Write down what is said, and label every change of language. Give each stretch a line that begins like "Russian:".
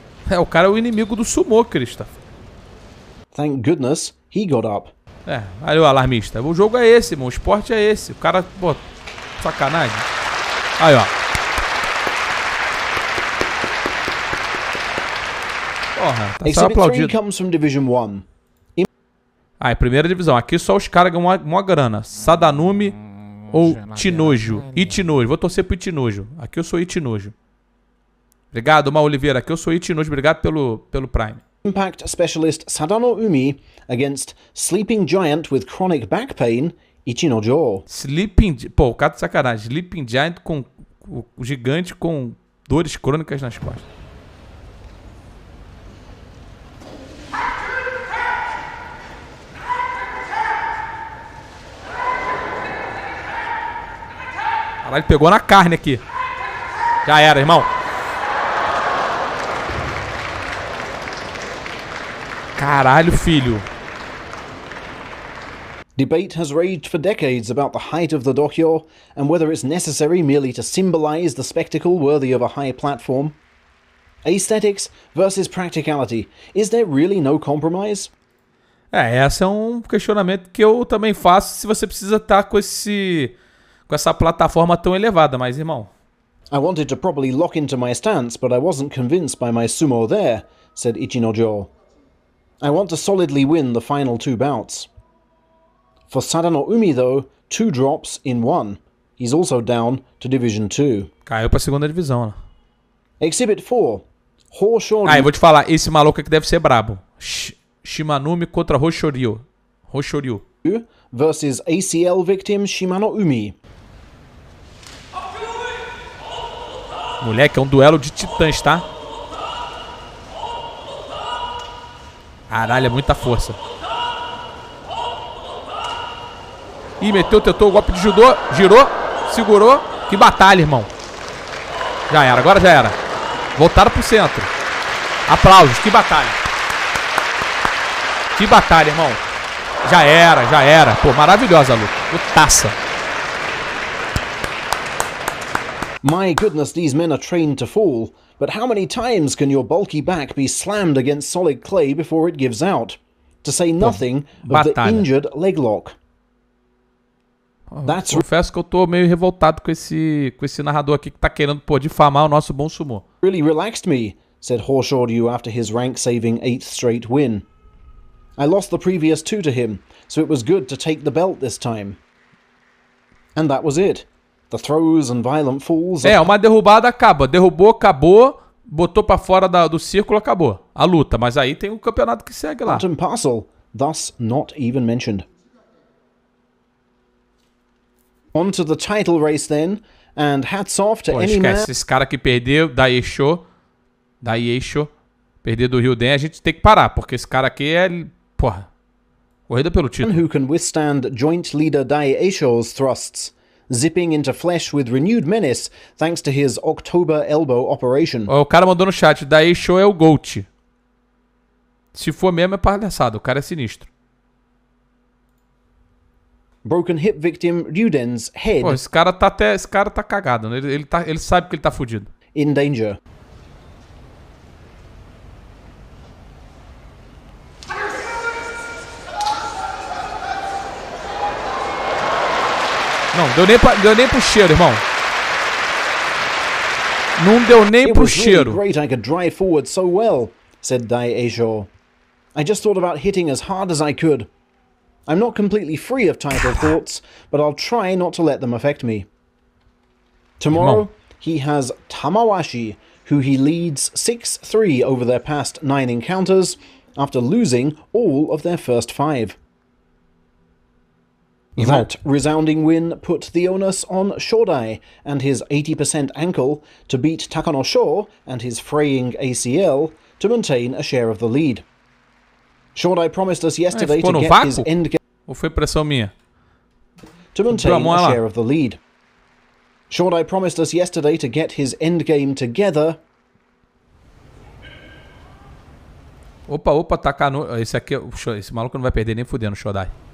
Portuguese: É, o cara é o inimigo do sumô, Christopher.
English: Thank goodness he got up.
Portuguese: É, valeu, alarmista. O jogo é esse, irmão. O esporte é esse. O cara, pô, sacanagem. Aí, ó. Porra, tá só aplaudido.
English: Comes from Division 1.
Portuguese: Ah, é primeira divisão. Aqui só os caras ganham uma grana. Sadanumi ou Itinojo. Itinojo. Vou torcer pro Itinojo. Aqui eu sou Itinojo. Obrigado, Mauro Oliveira. Aqui eu sou Itinojo. Obrigado pelo Prime.
English: Impact specialist Sadano Umi against sleeping giant with chronic back pain, Itinojo. Sleeping...
Portuguese: Pô, o cara tá sacanagem.
English: Sleeping giant
Portuguese: com... O gigante com dores crônicas nas costas. Caralho, ele pegou na carne aqui. Já era, irmão. Caralho, filho.
English: Debate has raged for decades about the height of the Dokyo and whether it's necessary merely to symbolize the spectacle worthy of a high platform. Aesthetics versus practicality. Is there really no compromise?
Portuguese: É, esse é um questionamento que eu também faço se você precisa estar com esse... Com essa plataforma tão elevada, mas irmão.
English: I wanted to properly lock into my stance, but I wasn't convinced by my sumo there, said Ichinojo. I want to solidly win the final two bouts. For Sadano Umi, though, two drops in one. He's also down to Division 2.
Portuguese: Caiu pra segunda divisão, né?
English: Exhibit 4. Hoshoryu.
Portuguese: Ah, eu vou te falar, esse maluco aqui deve ser brabo. Shimanumi contra Hoshoryu. Hoshoryu.
English: Versus ACL victim Shimano Umi.
Portuguese: Moleque, é um duelo de titãs, tá? Caralho, é muita força. Ih, meteu, tentou o golpe de judô. Girou, segurou. Que batalha, irmão. Já era, agora já era. Voltaram pro centro. Aplausos, que batalha. Que batalha, irmão. Já era, já era. Pô, maravilhosa a luta. Putaça.
English: My goodness, these men are trained to fall, but how many times can your bulky back be slammed against solid clay before it gives out? To say nothing of the injured leg lock. That's
Portuguese: confesso que eu tô meio revoltado com esse narrador aqui que tá querendo, pô, difamar o nosso bom sumô.
English: Really relaxed me, said Horshoryu after his rank-saving 8th straight win. I lost the previous two to him, so it was good to take the belt this time. And that was it. The throws and violent falls.
Portuguese: É, uma derrubada acaba. Derrubou, acabou. Botou para fora do círculo, acabou a luta. Mas aí tem o campeonato que segue lá.
English: Item parcel, thus not even mentioned. On to the title race then, and hats off to any man.
Portuguese: Esse cara que perdeu, Daisho, perdeu do Rio Den, a gente tem que parar, porque esse cara aqui é, porra, corrida pelo título.
English: Who can withstand joint leader Daisho's thrusts, zipping into flesh with renewed menace, thanks to his October elbow operation.
Portuguese: O cara mandou no chat, Daisho é o GOAT. Se for mesmo é palhaçado, o cara é sinistro.
English: Broken hip victim Ryuden's head.
Portuguese: Pô, esse cara tá cagado, né? Ele sabe que ele tá fudido.
English: In danger.
Portuguese: Não, deu nem pro cheiro, irmão. Não deu nem pro cheiro.
English: It was really great I could drive forward so well, said Dai Eijo. I just thought about hitting as hard as I could. I'm not completely free of title thoughts, but I'll try not to let them affect me. Tomorrow, he has Tamawashi, who he leads 6-3 over their past 9 encounters, after losing all of their first 5. That resounding win put the onus on Shodai and his 80% ankle to beat Takanosho and his fraying ACL to maintain a share of the lead. Shodai promised us yesterday to get his endgame.
Portuguese: Ou foi pressão minha?
English: To maintain a share of the lead. Shodai promised us yesterday to get his endgame together.
Portuguese: Opa, opa, Takano. Esse aqui, esse maluco não vai perder nem fudendo, Shodai.